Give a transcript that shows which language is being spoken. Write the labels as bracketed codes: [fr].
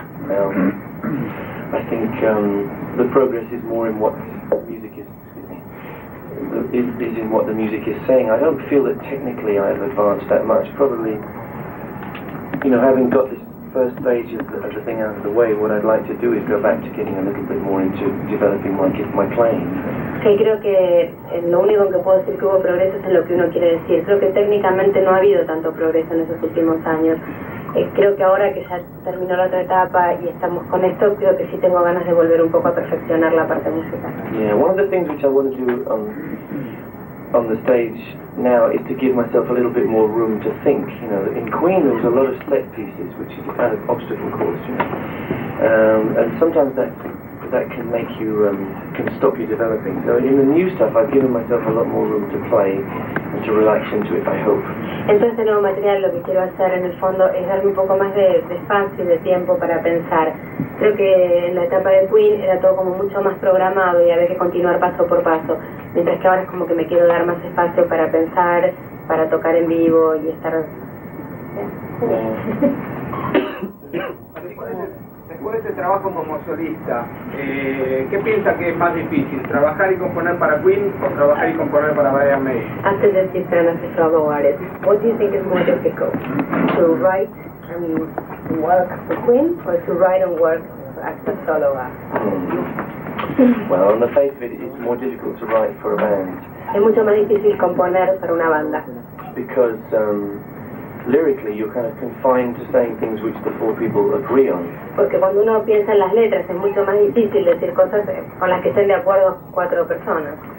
[en] Well, I think the progress is more in what music is. Excuse me. Is in what the music is saying. I don't feel that technically I have advanced that much. Probably, you know, having got this. First stage of the thing out of the way, what I'd like to do is go back to getting a little bit more into developing my playing. [es] Okay, creo que lo único que puedo decir que hubo progreso es en lo que uno quiere decir. Creo que técnicamente no ha habido tanto progreso en esos últimos años. Creo que ahora que ya terminó la otra etapa y estamos con esto, creo que sí tengo ganas de volver un poco a perfeccionar la parte musical. [en] Yeah, one of the things which I want to do on the stage now is to give myself a little bit more room to think, you know, in Queen there was a lot of set pieces, which is a kind of obstacle course, you know, and sometimes that can make you, can stop you developing, so in the new stuff I've given myself a lot more room to play and to relax into it, I hope. [es] Entonces el nuevo material lo que quiero hacer en el fondo es darme un poco más de espacio y de tiempo para pensar. Creo que en la etapa de Queen era todo como mucho más programado y había que continuar paso por paso. Mientras que ahora es como que me quiero dar más espacio para pensar, para tocar en vivo y estar... Después de este trabajo como solista, ¿qué piensa que es más difícil? ¿Trabajar y componer para Queen o trabajar y componer para Brian May? [en] After this you've been on the solo artist, what do you think is more difficult? To write and work for Queen or to write and work as a solo artist? Well, on the face of it, it's more difficult to write for a band. [es] Es mucho más difícil componer para una banda. [en] Because lyrically, you're kind of confined to saying things which the four people agree on. [es] Porque cuando uno piensa en las letras, es mucho más difícil decir cosas con las que estén de acuerdo cuatro personas.